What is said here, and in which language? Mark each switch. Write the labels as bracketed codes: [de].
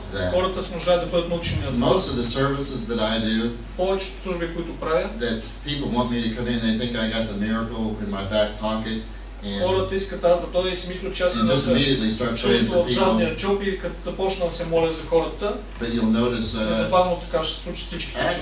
[bg] Хората се нуждаят да бъдат научени от [en] Most of the services that I do, [bg] повечето служби, които правя, [en] that people want me to come in, they think I got the miracle in my back pocket, and [bg] хората искат аз да дойда и си мислят, че аз съм чудото в задния джоб и като започна да се моля за хората, [en] but you'll notice, [bg] незабавно така ще се случи всички